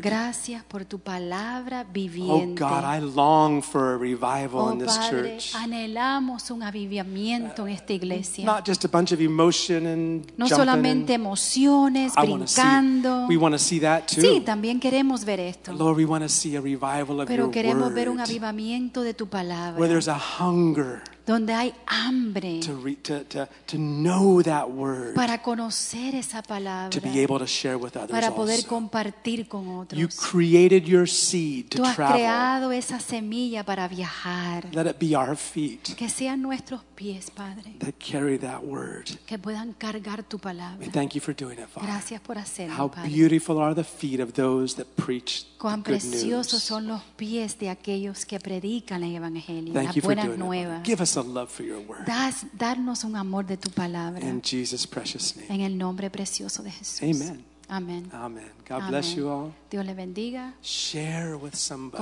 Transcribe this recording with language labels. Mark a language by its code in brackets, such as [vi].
[es] Gracias por tu palabra viviente. [en] Oh God, I long for a revival in this church. [es] Padre, anhelamos un avivamiento en esta iglesia. [en] Not just a bunch of emotion and [es] no solamente emociones, brincando. [en] We want to see that too. [es] Sí, también queremos ver esto. [en] Lord, we want to see a revival of your word. [es] Pero queremos ver un avivamiento de tu palabra. [en] Where there's a hunger. [es] donde hay hambre [en] to know that word, [es] para conocer esa palabra, [en] to be able to share with others, [es] para poder [en] also [es] compartir con otros. [en] You created your seed to [es] tú has [en] travel [es] creado esa semilla para viajar. [en] Let it be our feet, [es] que sean nuestros pies, Padre, [en] that carry that word, [es] que puedan cargar tu palabra. [en] We thank you for doing it, Father. [es] Gracias por hacerlo, [en] how [es] Padre [en] beautiful are the feet of those that preach [es] cuán [en] good [es] preciosos son los pies de aquellos que predican el evangelio. [en] Thank [es] la [en] you [es] buena [en] for doing [es] nueva [en] it. Give us a love for your word. [es] Darnos un amor de tu palabra. [en] In Jesus' precious name. [es] En el nombre precioso de Jesús. [en] Amen. Amen. Amen. God bless you all. [es] Dios le bendiga. [en] Share with somebody.